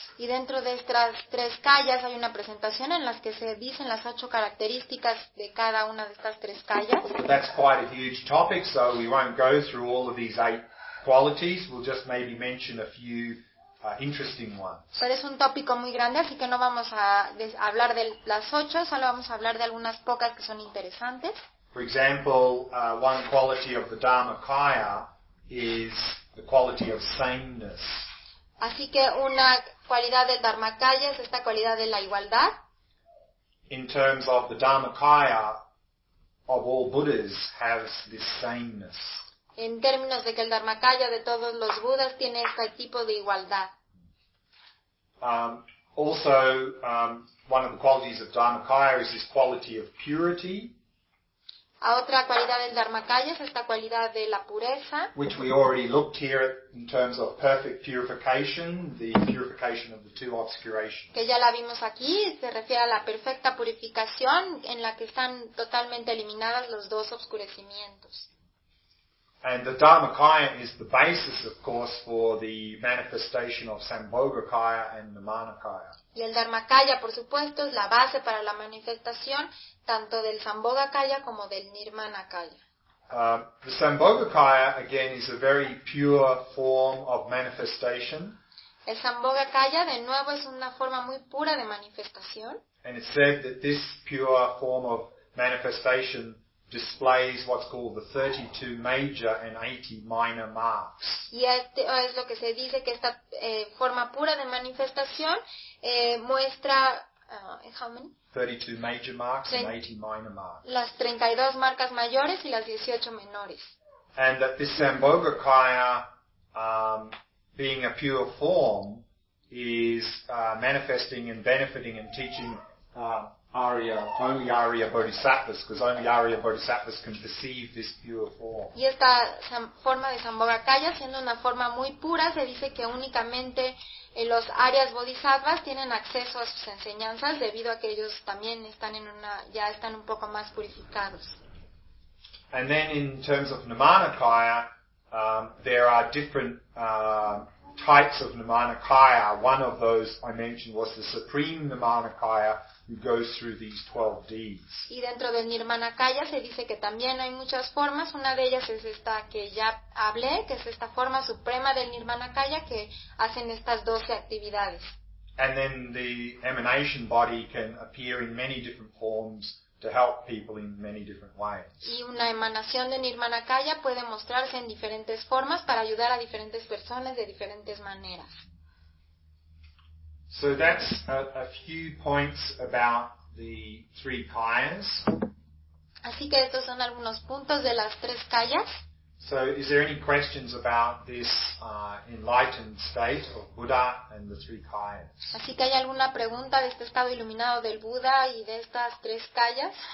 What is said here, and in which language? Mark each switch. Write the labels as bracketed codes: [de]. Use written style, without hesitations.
[es] Y dentro de estas tres kayas hay una presentación en las que se dicen las ocho características de cada una de estas tres kayas. [en] That's quite a huge topic, so we won't go through all of these eight qualities. We'll just maybe mention a few interesting ones. [es] Pero es un tópico muy grande, así que no vamos a hablar de las ocho, solo vamos a hablar de algunas pocas que son interesantes. [en] For example, one quality of the Dharmakaya is the quality of sameness. [es] Así que una cualidad del Dharmakaya es esta cualidad de la igualdad. [en] In terms of the Dharmakaya, of all Buddhas, has this sameness. [es] En términos de que el Dharmakaya de todos los Budas tiene este tipo de igualdad. [en] One of the qualities of Dharmakaya is this quality of purity. [es] A otra cualidad del Dharmakaya es esta cualidad de la pureza. [en] Which we already looked here in terms of perfect purification, the purification of the two obscurations. [es] Que ya la vimos aquí, se refiere a la perfecta purificación en la que están totalmente eliminadas los dos obscurecimientos. [en] And the Dharmakaya is the basis, of course, for the manifestation of Sambhogakaya and Nimanakaya. [es] Y el Dharmakaya, por supuesto, es la base para la manifestación tanto del Sambhogakaya como del Nirmanakaya. [en] The Sambhogakaya, again, is a very pure form of manifestation. [es] El Sambhogakaya, de nuevo, es una forma muy pura de manifestación. [en] And it's said that this pure form of manifestation displays what's called the 32 major and 80 minor marks. [es] Y es lo que se dice que esta forma pura de manifestación muestra [en] how many? 32 major marks and 80 minor marks. [es] Las 32 marcas mayores y las 18 menores. [en] And that this Sambhogakaya, being a pure form, is manifesting and benefiting and teaching only Arya Bodhisattvas, because only Arya Bodhisattvas can perceive this pure form. [es] Y esta forma de Sambhogakaya, siendo una forma muy pura, se dice que únicamente los Aryas Bodhisattvas tienen acceso a sus enseñanzas, debido a que ellos también están en una, ya están un poco más purificados. [en] And then in terms of Nimanakaya, there are different types of Nimanakaya. One of those I mentioned was the Supreme Nimanakaya, who goes through these 12 deeds. [es] Y dentro del Nirmanakaya se dice que también hay muchas formas. Una de ellas es esta que ya hablé, que es esta forma suprema del Nirmanakaya que hacen estas 12 actividades. [en] And then the emanation body can appear in many different forms to help people in many different ways. [es] Y una emanación de Nirmanakaya puede mostrarse en diferentes formas para ayudar a diferentes personas de diferentes maneras. [en] So that's a few points about the three kayas. [es] Así que estos son algunos puntos de las tres kayas. [en] So is there any questions about this enlightened state of Buddha and the three kayas? [es] Así que hay alguna pregunta de este estado iluminado del Buda y de estas tres kayas?